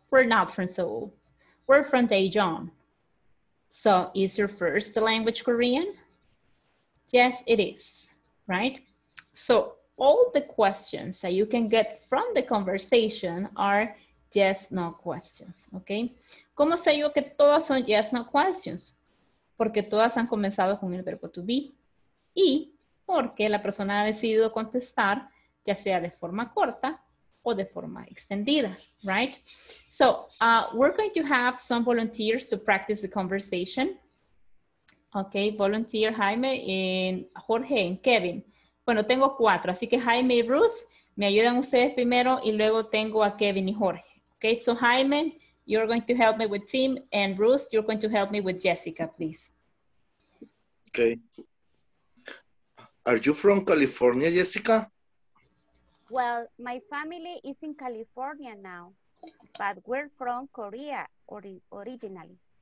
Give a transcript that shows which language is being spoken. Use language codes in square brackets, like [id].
[en] We're not from Seoul. We're from Daejeon. So is your first language Korean? Yes, it is, right? So all the questions that you can get from the conversation are yes, no questions, okay? [es] ¿Cómo sé yo que todas son [en] yes, no questions? [es] Porque todas han comenzado con el verbo to be. Y porque la persona ha decidido contestar, ya sea de forma corta o de forma extendida, right? [en] So, we're going to have some volunteers to practice the conversation. Okay, volunteer Jaime and Jorge and Kevin. [es] Bueno, tengo cuatro, así que Jaime y Bruce, me ayudan ustedes primero y luego tengo a Kevin y Jorge. [en] Okay, so Jaime, you're going to help me with Tim, and Bruce, you're going to help me with Jessica, please. Okay. Are you from California, Jessica? Well, my family is in California now, but we're from Korea originally.